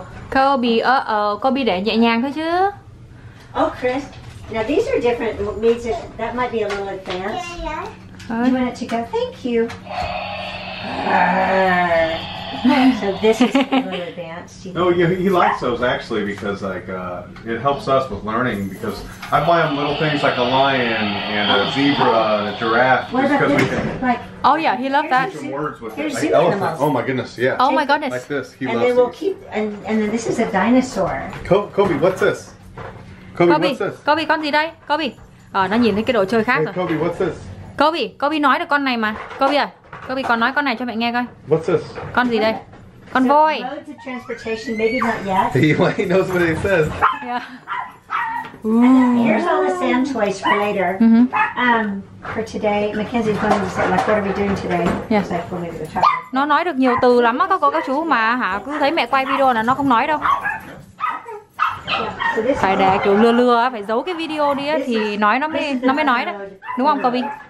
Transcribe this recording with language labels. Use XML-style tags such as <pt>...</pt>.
<vi>Kobe, Kobe để nhẹ nhàng thôi chứ.</vi> <en>Oh, Chris. Now, these are different. That might be a little advanced. Yeah, yeah. You want it to go? Thank you. So this is a little advanced. Oh, yeah, he likes those actually because like it helps us with learning because I buy him little things like a lion and a zebra and a giraffe. What about this? Oh yeah, he loves that. Words with here's like elephant. Oh my goodness, yeah. Oh my goodness. Like this, he and loves then we'll these. Keep, and then this is a dinosaur. Kobe, what's this? Kobe, what's this?</en> <vi>Kobe, con gì đây? Kobe. Nó nhìn thấy cái đồ chơi khác rồi.</vi> <en>Kobe, what's this?</en> <vi>Kobe nói được con này mà. Kobe à, Kobe con nói con này cho mẹ nghe coi.</vi> <en>What's this?</en> <vi>Con gì đây? Con</vi> <en>so</en> <vi>voi.</vi> <en>Modes of transportation, maybe not yet. He knows what it says. Yeah. Here's all the sand toys for later. Mm-hmm. For today, Mackenzie's going to say, like, what are we doing today? Yeah. So we'll maybe the chocolate.</en> <vi>Nó nói được nhiều từ lắm á, các cô các chú mà hả? Cứ thấy mẹ quay video là nó không nói đâu.</vi> <en>Yeah. So</en> <vi>phải để kiểu lừa lừa, phải giấu cái video đi á, thì nói nó mới nói đấy. Đúng không, Kobe?</vi>